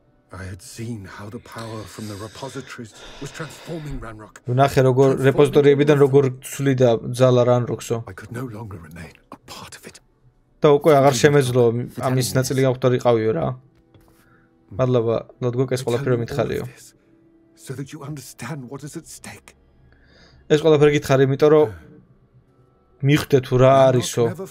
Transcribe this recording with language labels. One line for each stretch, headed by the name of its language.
English: I had seen how the power from the repositories was transforming Ranrock.
Georgian: ნახე როგორ რეპოზიტორიებიდან როგორ ცვლიდა ძალა Ranrockso.
English: I could no longer remain a part of it.
Georgian: და უკვე აღარ შემეძლო ამის ნაწილი გავხდარიყავიო რა. მადლობა, ლოდგოკ ეს ყველაფერი მითხარიო.
English: So that you understand what is at stake.
Georgian: ეს ყველაფერი გითხარი, იმიტომ რომ მიხვდე თუ რა არისო.